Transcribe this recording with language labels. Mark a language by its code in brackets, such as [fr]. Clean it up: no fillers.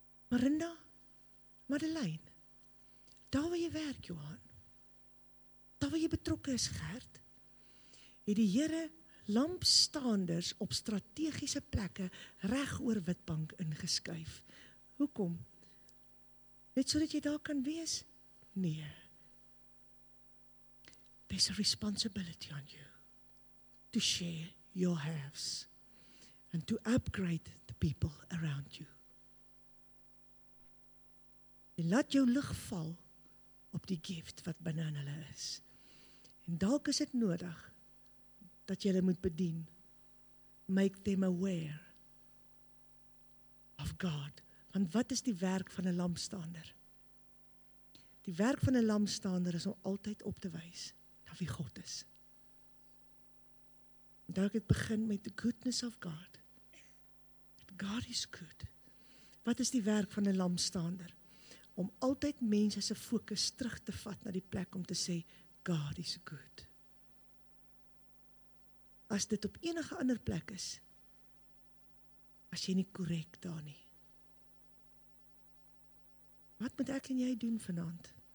[af] Marinda. Madeleine. Daar waar jy werk, Johan. Waar jy betrokke is, Gert, het die Here lampstaanders op strategiese plekke reg oor Witbank ingeskuif. Hoekom? Net sodat jy daar kan wees? Nee. [en] There's a responsibility on you to share your haves and to upgrade the people around you. [af] En laat jou lig val op die gift wat binne in hulle is. En dalk is dit nodig dat jy hulle moet bedien. [en] Make them aware of God. [af] Want wat is die werk van 'n lampstaander? Die werk van 'n lampstaander is om altyd op te wys na wie God is. Dalk het begin met [en] the goodness of God. God is good. [af] Wat is die werk van 'n lampstaander? Om altyd mense se fokus terug te vat na die plek om te sê, [en] God is good. [af] As dit op enige ander plek is, as jy nie korrek daar nie, wat moet ek en jy doen vanaand?